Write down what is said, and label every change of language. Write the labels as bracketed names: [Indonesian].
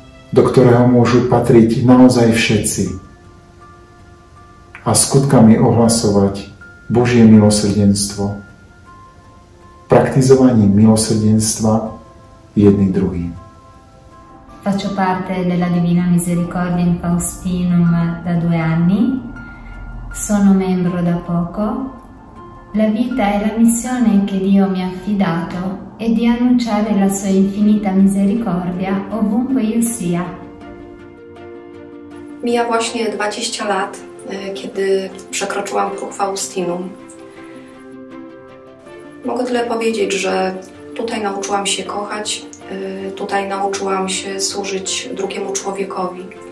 [Slovak] Do ktorého môžu patriť naozaj všetci a skutkami ohlasovať Božie milosrdenstvo praktizovaním milosrdenstva jedný druhým. [Italian] Faccio parte della Divina Misericordia in Faustinum da 2 anni, sono membro da poco. La vita e la missione che Dio mi ha affidato è di annunciare la sua infinita misericordia ovunque io sia. [Polish] Mija właśnie 20 lat, kiedy przekroczyłam próg Faustinum. Mogę tyle powiedzieć, że tutaj nauczyłam się kochać, tutaj nauczyłam się służyć drugiemu człowiekowi.